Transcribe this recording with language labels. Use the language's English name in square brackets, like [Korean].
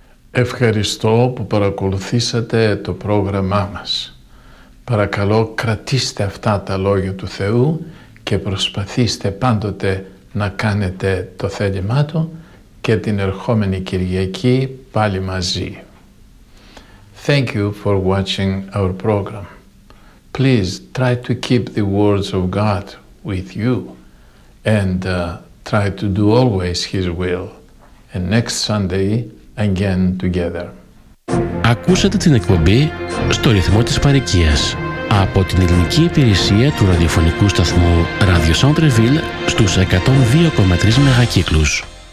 [Greek] ευχαριστώ που παρακολουθήσατε το πρόγραμμά μας. Παρακαλώ κρατήστε αυτά τα λόγια του Θεού και προσπαθήστε πάντοτε να κάνετε το θέλημά Του και την ερχόμενη Κυριακή πάλι μαζί. [English] Thank you for watching our program. Please try to keep the words of God with you and try to do always His will. And next Sunday, again together. [Greek] Ακούσατε την εκπομπή «Στο ρυθμό της παροικίας» από την ελληνική υπηρεσία του ραδιοφωνικού σταθμού Radio Centreville στους 102,3 μεγακύκλους.